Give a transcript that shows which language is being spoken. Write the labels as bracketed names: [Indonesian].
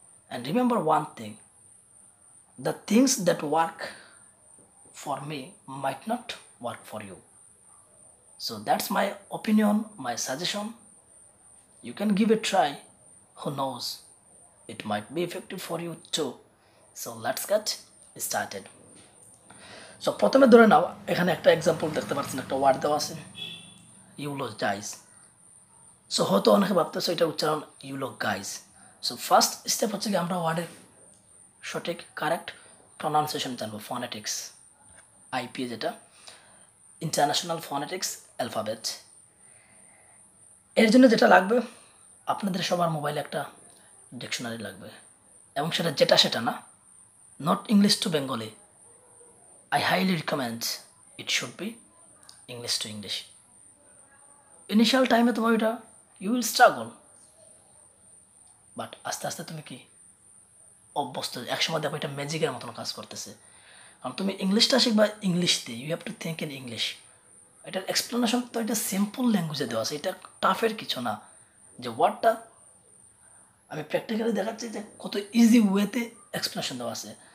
[English] And remember one thing, the things that work for me might not work for you. So that's my opinion, my suggestion. You can give it a try. Who knows, it might be effective for you too. So let's get started. [Bangla] So প্রথমে ধরে নাও, এখানে একটা example দেখতে পাচ্ছেন, একটা word দেওয়া আছে, ইউলোজাইজ। So হয়তো অনেকে ভাবতেছে এটা উচ্চারণ ইউলোগাইজ। সো ফার্স্ট স্টেপ হচ্ছে কি, আমরা ওয়ার্ডের সঠিক কারেক্ট প্রনাউন্সিয়েশন জানবো, ফোনেটিক্স, আইপিএ, যেটা ইন্টারন্যাশনাল ফোনেটিক্স অ্যালফাবেট। এর জন্য যেটা লাগবে, আপনাদের সবার মোবাইলে একটা ডিকশনারি লাগবে, এবং সেটা যেটা সেটা না, [English] Not English to Bengali. I highly recommend it should be English to English. Initial time [Bangla] তোমার ওইটা, [English] you will struggle. But [Bangla] আস্তে আস্তে তুমি কি অভ্যস্ত, একসময় দেখো এটা ম্যাজিকের মতন কাজ করতেছে। কারণ তুমি ইংলিশটা শিখবা ইংলিশতে, [English] You have to think in English. [Bangla] এটার এক্সপ্লেনেশন তো এটা সিম্পল ল্যাঙ্গুয়েজে দেওয়া আছে, এটা টাফের কিছু না। যে ওয়ার্ডটা আমি প্র্যাকটিক্যালি দেখাচ্ছি যে কত ইজি ওয়েতে এক্সপ্লেনেশন দেওয়া আছে।